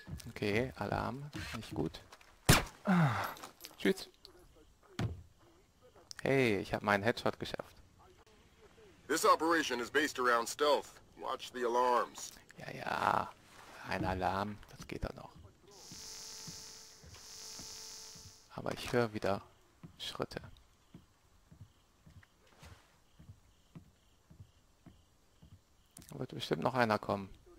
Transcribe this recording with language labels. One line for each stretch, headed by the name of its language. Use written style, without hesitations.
German: Okay, Alarm, nicht gut. Tschüss. Hey, ich habe meinen Headshot geschafft.
English: This operation is based around stealth. Watch the alarms.
German: Ja, ja. Ein Alarm, das geht doch noch. Aber ich höre wieder Schritte. Da wird bestimmt noch einer kommen.